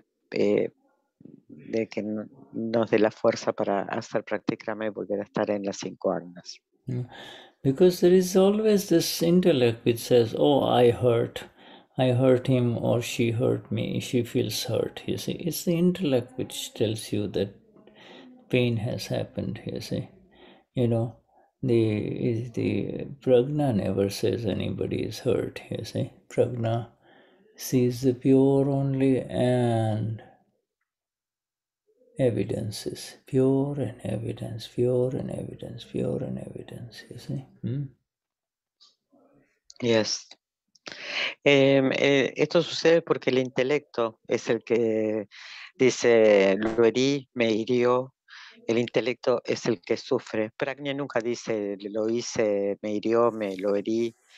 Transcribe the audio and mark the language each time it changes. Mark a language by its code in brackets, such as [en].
[es] De que nos dé la fuerza para hacer practicrama y volver a estar en las cinco agnas. [en] Because there is always this intellect which says, oh, I hurt, I hurt him or she hurt me, she feels hurt, you see. It's the intellect which tells you that pain has happened, you see. You know, the prajna never says anybody is hurt, you see. Prajna sees the pure only and evidences. Pure and evidence, pure and evidence, pure and evidence, you see. Yes. [es] Esto sucede porque el intelecto es el que dice, lo herí, me hirió. El intelecto es el que sufre. Prajna nunca dice, lo hice, me hirió, me lo herí.